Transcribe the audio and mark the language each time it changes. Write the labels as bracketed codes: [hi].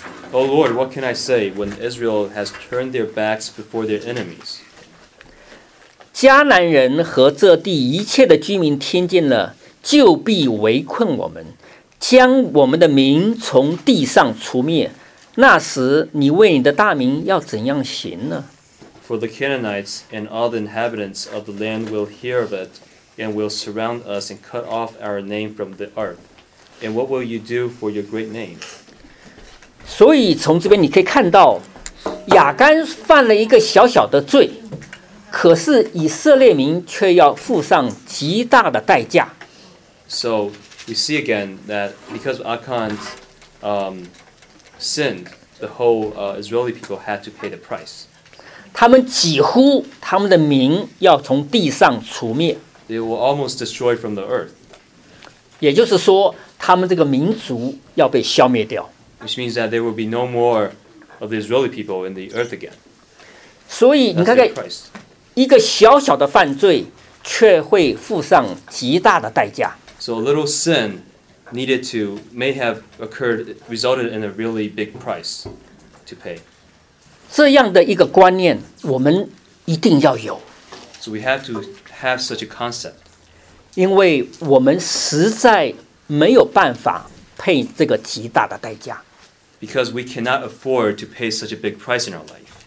[en] Oh Lord, what can I say when Israel has turned their backs before their enemies? [zh] 迦南人和这地一切的居民听见了，就必围困我们，将我们的民从地上除灭。那时你为你的大名要怎样行呢？ [en] For the Canaanites and all the inhabitants of the land will hear of it and will surround us and cut off our name from the earth. And what will you do for your great name? [zh] 所以从这边你可以看到亚干犯了一个小小的罪，可是以色列民却要付上极大的代价。 [en] So we see again that because Achan sinned, the whole Israeli people had to pay the price. [zh] 他们几乎他们的民要从地上除灭。 [en] They were almost destroyed from the earth. [zh] 也就是说，他们这个民族要被消灭掉。 [en] Which means that there will be no more of the Israeli people in the earth again. [zh] 所以你看看，一个小小的犯罪却会付上极大的代价。 [en] So a little sin needed to may have occurred resulted in a really big price to pay. [zh] 这样的一个观念我们一定要有。 [en] So we have to have such a concept. [zh] 因为我们实在没有办法配这个极大的代价。 [en] Because we cannot afford to pay such a big price in our life.